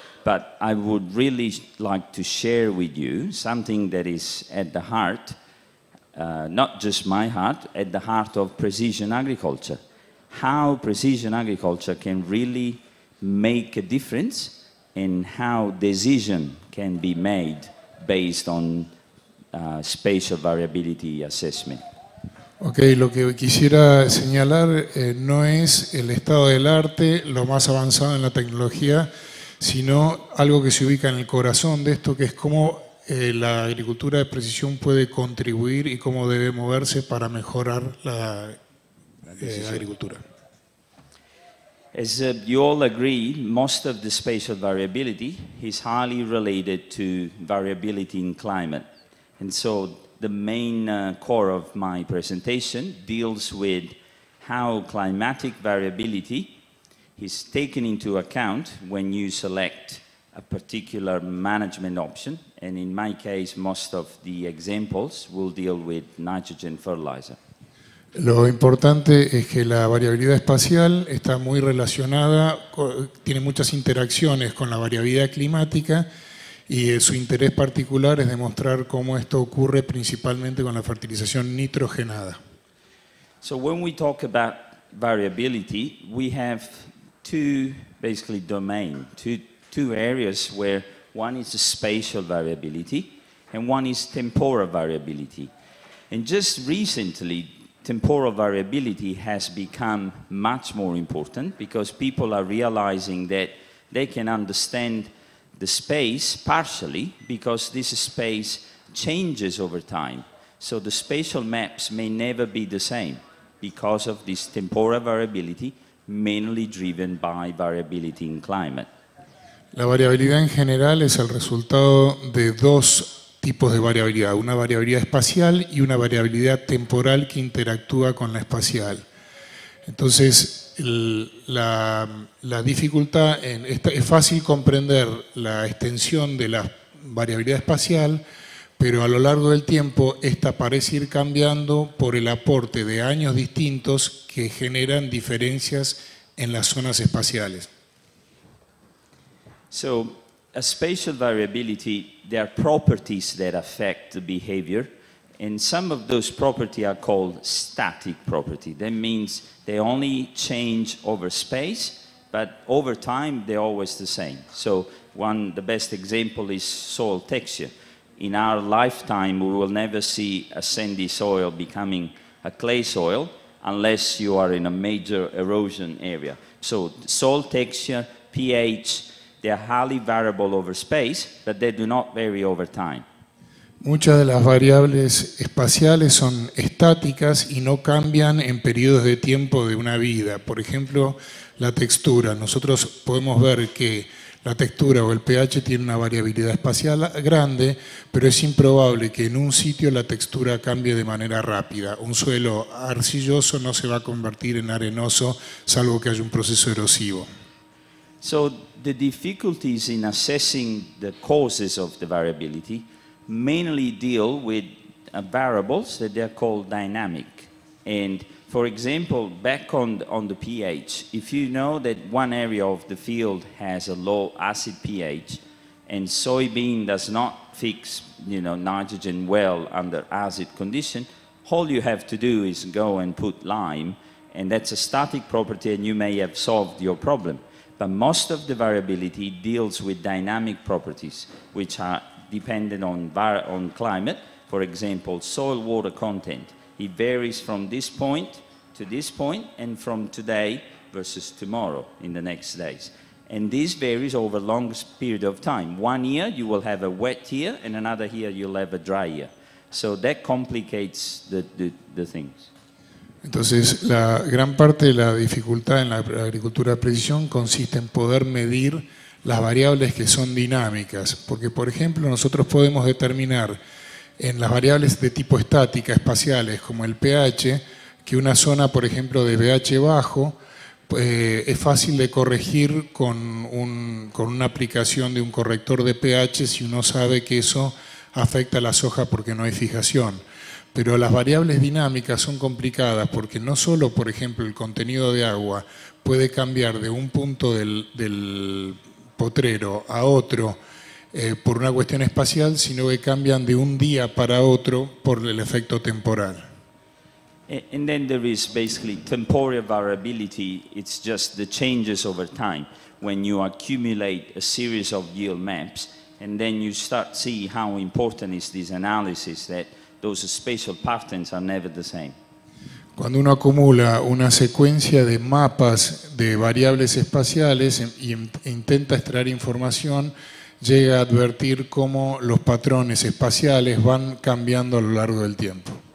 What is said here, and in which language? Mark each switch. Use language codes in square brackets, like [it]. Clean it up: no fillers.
[en] But I would really like to share with you something that is at the heart, not just my heart, at the heart of precision agriculture. How precision agriculture can really make a difference and how decision can be made based on spatial variability assessment. [es] Ok, lo que quisiera señalar no es el estado del arte, lo más avanzado en la tecnología, sino algo que se ubica en el corazón de esto, que es cómo la agricultura de precisión puede contribuir y cómo debe moverse para mejorar la agricultura. [en] As you all agree, most of the spatial variability is highly related to variability in climate. And so the main core of my presentation deals with how climatic variability is taken into account when you select a particular management option. And in my case, most of the examples will deal with nitrogen fertilizer. [es] Lo importante es que la variabilidad espacial está muy relacionada, tiene muchas interacciones con la variabilidad climática y su interés particular es demostrar cómo esto ocurre principalmente con la fertilización nitrogenada. [en] So when we talk about variability, we have two basically domains, two areas where one is a spatial variability and one is temporal variability. And just recently, temporal variability has become much more important because people are realizing that they can understand the space partially because this space changes over time. So the spatial maps may never be the same because of this temporal variability, mainly driven by variability in climate. [es] La variabilidad en general es el resultado de dos tipos de variabilidad, una variabilidad espacial y una variabilidad temporal que interactúa con la espacial. Entonces, la dificultad, es fácil comprender la extensión de la variabilidad espacial, pero a lo largo del tiempo esta parece ir cambiando por el aporte de años distintos que generan diferencias en las zonas espaciales. [en] So, a spatial variability, there are properties that affect the behavior, and some of those properties are called static property. That means they only change over space, but over time they're always the same. So one, the best example is soil texture. In our lifetime, we will never see a sandy soil becoming a clay soil unless you are in a major erosion area. So soil texture, pH, they are highly variable over space, but they do not vary over time. [es] Muchas de las variables espaciales son estáticas y no cambian en periodos de tiempo de una vida. Por ejemplo, la textura. Nosotros podemos ver que la textura o el pH tiene una variabilidad espacial grande, pero es improbable que en un sitio la textura cambie de manera rápida. Un suelo arcilloso no se va a convertir en arenoso, salvo que haya un proceso erosivo. [en] So the difficulties in assessing the causes of the variability mainly deal with variables that they are called dynamic. And for example, back on the pH, if you know that one area of the field has a low acid pH and soybean does not fix, you know, nitrogen well under acid condition, all you have to do is go and put lime, and that's a static property and you may have solved your problem. But most of the variability deals with dynamic properties, which are dependent on climate. For example, soil water content. It varies from this point to this point and from today versus tomorrow in the next days. And this varies over a long period of time. One year you will have a wet year and another year you'll have a dry year. So that complicates the things. [es] Entonces, la gran parte de la dificultad en la agricultura de precisión consiste en poder medir las variables que son dinámicas. Porque, por ejemplo, nosotros podemos determinar en las variables de tipo estática, espaciales, como el pH, que una zona, por ejemplo, de pH bajo, es fácil de corregir con una aplicación de un corrector de pH si uno sabe que eso afecta a la soja porque no hay fijación. Pero las variables dinámicas son complicadas porque no solo, por ejemplo, el contenido de agua puede cambiar de un punto del potrero a otro por una cuestión espacial, sino que cambian de un día para otro por el efecto temporal. [en] And then there is basically temporal variability. It's just the changes over time when you accumulate a series of yield maps, and then you start to see how important is this analysis that those spatial patterns are never the same. [es] Cuando uno acumula una secuencia de mapas de variables espaciales y intenta extraer información, llega a advertir cómo los patrones espaciales van cambiando a lo largo del tiempo.